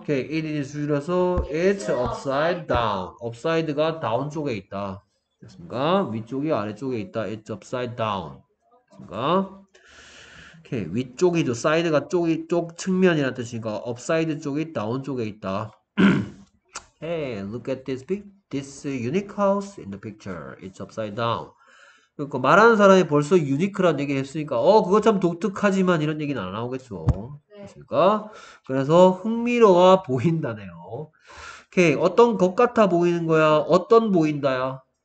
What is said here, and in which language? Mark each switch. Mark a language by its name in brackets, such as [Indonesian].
[English] Okay. It is [Korean] 줄여서 [English] it's upside down. [Korean] Upside가 down 쪽에 있다. 됐습니까? 위쪽이 아래쪽에 있다. [English] It's upside down. [Korean] 됐습니까? 오케이. 위쪽이죠. 사이드가 쪽이 쪽 측면이라는 뜻이니까 업사이드 쪽이 다운 쪽에 있다. [English] Hey, look at this big, this unique house in the picture. It's upside down. [Korean] 그러니까 말하는 사람이 벌써 유니크란 얘기 했으니까 그거 참 독특하지만 이런 얘기는 안 나오겠죠. 그러니까 그래서 흥미로워 보인다네요. 오케이. 어떤 것 같아 보이는 거야? 어떤 보인다야?